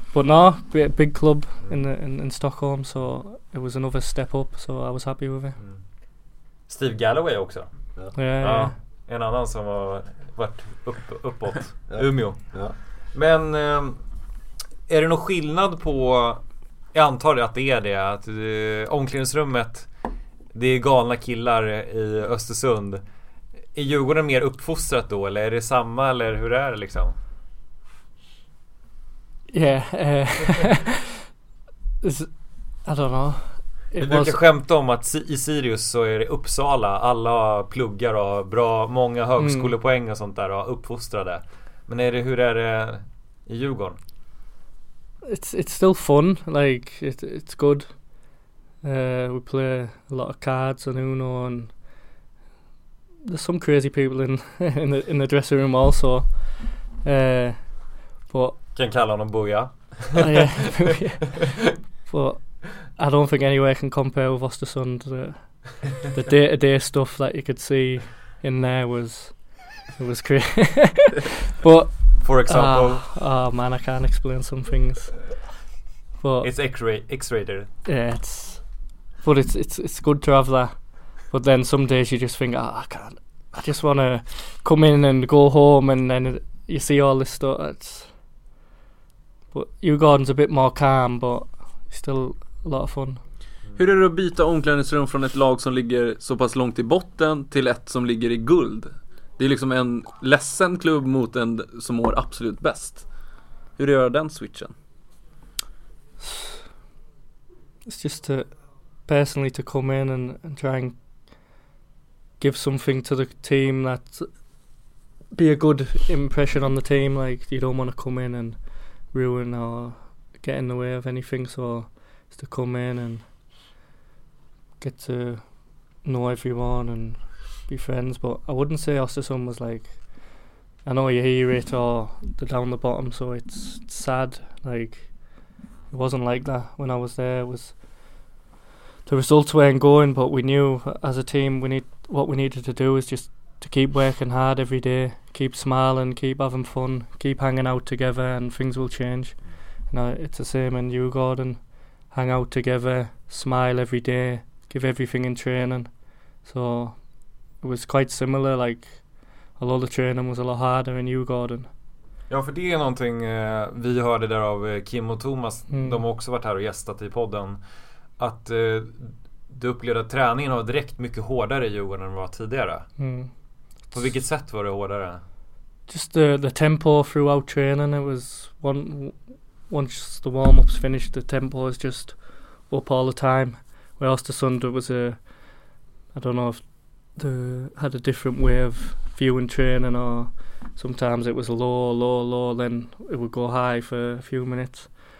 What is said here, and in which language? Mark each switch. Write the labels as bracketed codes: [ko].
[en] But no, big club in Stockholm, so it was another step up. So I was happy with it. [sv] Mm. Steve Galloway också. [en] Yeah. [sv] En annan som har varit uppåt. Ja. Umeå. Ja. Men är det någon skillnad på... Jag antar att det är det. Att omklädningsrummet, det är galna killar i Östersund. Är Djurgården mer uppfostrat då? Eller är det samma? Eller hur är det liksom? [en] Yeah. I don't know. [sv] Vi brukar skämta om att i Sirius så är det Uppsala. Alla pluggar och bra, många högskolepoäng och sånt där och uppfostrade. Men är det, hur är det i Djurgården? [en] It's still fun. Like, it's good. We play a lot of cards and Uno, and there's some crazy people in the dressing room also. But [sv] kan kalla honom Boja. [en] Yeah. But I don't think anywhere can compare with Östersund. The day-to-day stuff that you could see in there was crazy. But for example, I can't explain some things. But it's X-rated. Yeah, it's good to have that. But then some days you just think, I can't. I just want to come in and go home, and then you see all this stuff. But U Garden's a bit more calm, but still. Lot of fun. [sv] Hur är det att byta omklädningsrum från ett lag som ligger så pass långt i botten till ett som ligger i guld? Det är liksom en ledsen klubb mot en som mår absolut bäst. Hur gör den switchen? [en] It's just to personally to come in and try and give something to the team that be a good impression on the team. Like, you don't want to come in and ruin or get in the way of anything, so to come in and get to know everyone and be friends. But I wouldn't say Östersund was like, I know you hear it, or the down the bottom, so it's sad. Like, it wasn't like that when I was there. It was, the results weren't going, but we knew as a team what we needed to do is just to keep working hard every day, keep smiling, keep having fun, keep hanging out together, and things will change. You know, it's the same in you, Gordon. Hang out together, smile every day, give everything in training. So it was quite similar, like, although the training was a lot harder in Djurgården. [sv] Ja, för det är någonting vi hörde där av Kim och Thomas. Mm. De har också varit här och gästat i podden. Att du upplevde att träningen var direkt mycket hårdare i Djurgården än vad tidigare. Mm. På vilket sätt var det hårdare? [en] Just the tempo throughout training, it was one... Once the warm-ups finished, the tempo is just up all the time. Where Östersund was a, I don't know if they had a different way of viewing training, or sometimes it was low, low, low, then it would go high for a few minutes.